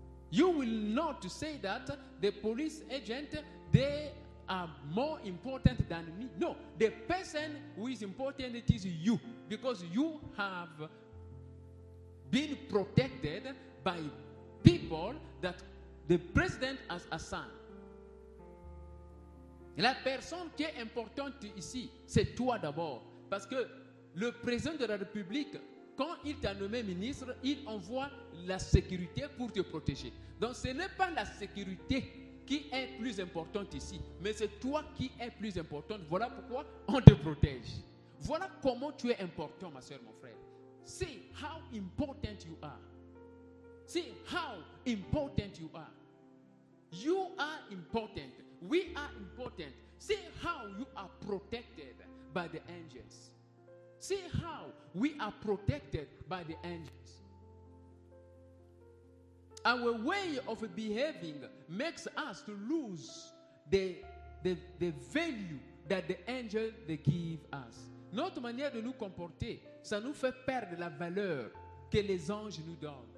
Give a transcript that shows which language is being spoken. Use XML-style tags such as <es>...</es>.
<en>You will not say that the police agent, they are more important than me. No, the person who is important, it is you, because you have been protected by people that the president has assigned.</en> <fr>La personne qui est importante ici, c'est toi d'abord. Parce que le président de la République, quand il t'a nommé ministre, il envoie la sécurité pour te protéger. Donc ce n'est pas la sécurité qui est plus importante ici, mais c'est toi qui es plus importante. Voilà pourquoi on te protège. Voilà comment tu es important, ma soeur, mon frère.</fr> <en>See how important you are. See how important you are. You are important. We are important. See how you are protected by the angels. See how we are protected by the angels. Our way of behaving makes us to lose the value that the angel they give us.</en> <fr>Notre manière de nous comporter, ça nous fait perdre la valeur que les anges nous donnent.</fr>